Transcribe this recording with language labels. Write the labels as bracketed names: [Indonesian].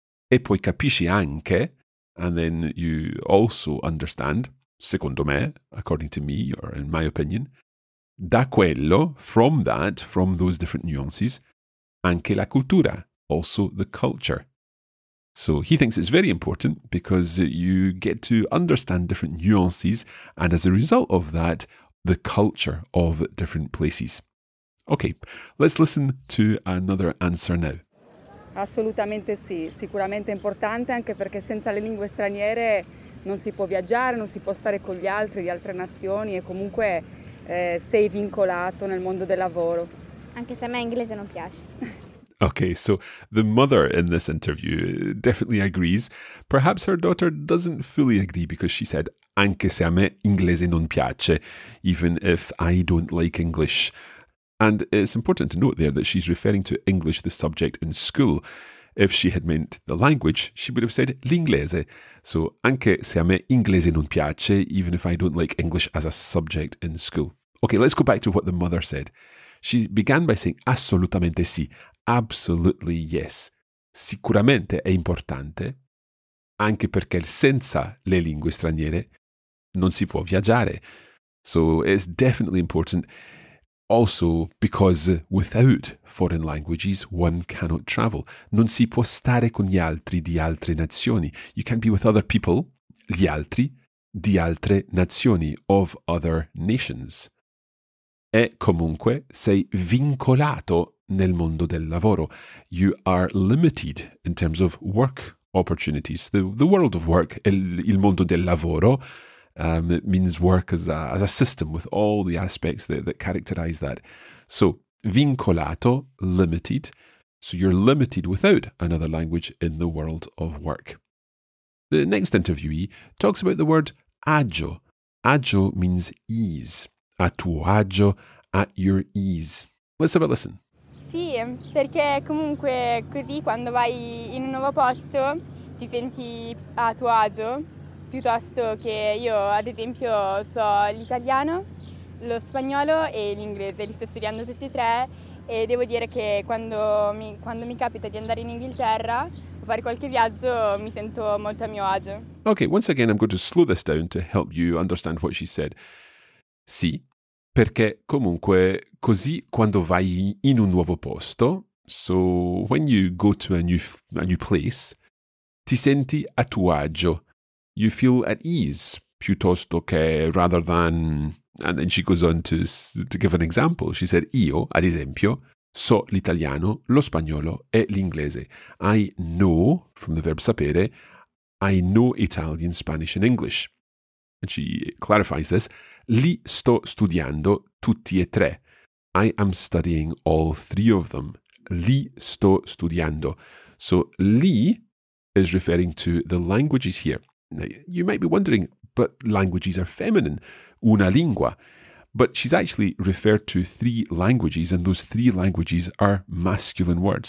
[Italian] e poi capisci anche, [English] and then you also understand, [Italian] secondo me, [English] according to me, or in my opinion, [Italian] da quello, [English] from that, from those different nuances, [Italian] anche la cultura, [English] also the culture. So he thinks it's very important because you get to understand different nuances and as a result of that, the culture of different places. Okay, let's listen to another answer now. [Italian] Assolutamente sì, sicuramente importante anche perché senza le lingue straniere non si può viaggiare, non si può stare con gli altri di altre nazioni e comunque sei vincolato nel mondo del lavoro. Anche se a me inglese non piace. [English] Okay, so the mother in this interview definitely agrees. Perhaps her daughter doesn't fully agree because she said, [Italian] anche se a me inglese non piace, [English] even if I don't like English. And it's important to note there that she's referring to English, the subject in school. If she had meant the language, she would have said l'inglese. So, [Italian] anche se a me inglese non piace, [English] even if I don't like English as a subject in school. Okay, let's go back to what the mother said. She began by saying [Italian] assolutamente sì, [English] absolutely yes. [Italian] Sicuramente è importante, anche perché senza le lingue straniere non si può viaggiare. [English] So, it's definitely important. Also, because without foreign languages, one cannot travel. [Italian] Non si può stare con gli altri di altre nazioni. [English] You can't be with other people, [Italian] gli altri, di altre nazioni, [English] of other nations. [Italian] E comunque sei vincolato nel mondo del lavoro. [English] You are limited in terms of work opportunities. The world of work, [Italian] il mondo del lavoro, [English] it means work as a system with all the aspects that characterize that. So, vincolato, limited. So you're limited without another language in the world of work. The next interviewee talks about the word agio. Agio means ease. [Italian] A tuo agio, [English] at your ease. Let's have a listen. [Italian] Sì, perché comunque così quando vai in un nuovo posto ti senti a tuo agio. Piuttosto che io, ad esempio, so l'italiano, lo spagnolo e l'inglese, li sto studiando tutti e tre e devo dire che quando mi capita di andare in Inghilterra o fare qualche viaggio mi sento molto a mio agio. [English] Okay, once again I'm going to slow this down to help you understand what she said. [Italian] Sì, perché comunque così quando vai in un nuovo posto [English] So when you go to a new place, [Italian] ti senti a tuo agio. [English] You feel at ease, [Italian] piuttosto che [English] rather than. And then she goes on to give an example. She said, [Italian] io, ad esempio, so l'italiano, lo spagnolo e l'inglese. [English] I know, from the verb sapere, I know Italian, Spanish and English. And she clarifies this. [Italian] Li sto studiando tutti e tre. [English] I am studying all three of them. [Italian] Li sto studiando. [English] So li is referring to the languages here. Now, you might be wondering, but languages are feminine. [Italian] Una lingua. [English] But she's actually referred to three languages, and those three languages are masculine words.